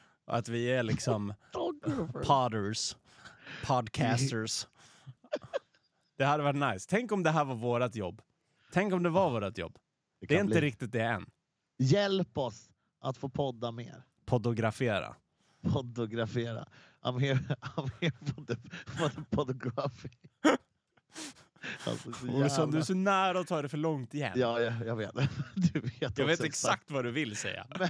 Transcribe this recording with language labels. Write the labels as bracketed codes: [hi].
[sv] Att vi är liksom podders. Podcasters. Det hade varit nice. Tänk om det här var vårt jobb. Tänk om det var vårt jobb. Det är inte riktigt det än. Hjälp oss att få podda mer. Poddografera. Poddografera. [en] I'm here for the podography. [sv] Alltså, du är så nära att ta det för långt igen. Ja, jag vet. Du vet. Jag vet exakt vad du vill säga.